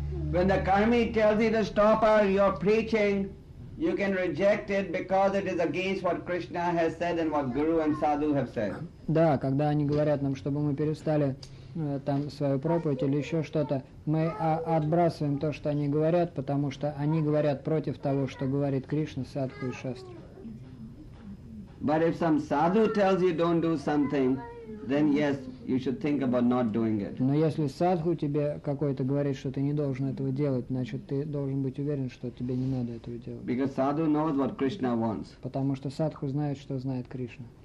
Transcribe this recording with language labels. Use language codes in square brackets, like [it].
[en] When the Karmi tells you to stop your preaching, you can reject it because it is against what Krishna has said and what Guru and Sadhu have said. [ru] Да, когда они говорят нам, чтобы мы перестали там свою проповедь или еще что-то, мы отбрасываем то, что они говорят, потому что они говорят против того, что говорит Кришна, садху и шастра. [en] But if some sadhu tells you don't do something, then yes, you should think about not doing it. [ru] Но если садху тебе какой-то говорит, что ты не должен этого делать, значит, ты должен быть уверен, что тебе не надо этого делать. [en] Because sadhu knows what Krishna wants. [ru] Потому что садху знает, что знает Кришна.